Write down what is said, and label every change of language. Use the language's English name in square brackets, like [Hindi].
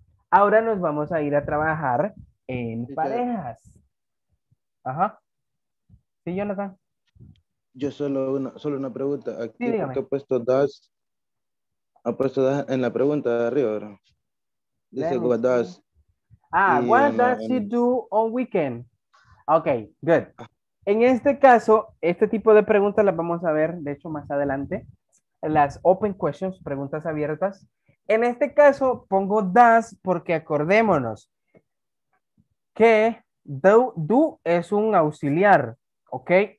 [Spanish] Ahora nos vamos a ir a trabajar en parejas. Ajá. Sí, Jonathan. Yo solo una pregunta. Aquí sí, he puesto das. Ha puesto das en la pregunta de arriba ahora. Dice [English] what does. Ah, y, what does she do on weekend? Ok, good. [Spanish] En este caso, este tipo de preguntas las vamos a ver, de hecho, más adelante. Las open questions, preguntas abiertas. En este caso, pongo does porque acordémonos que do es un auxiliar, ¿ok?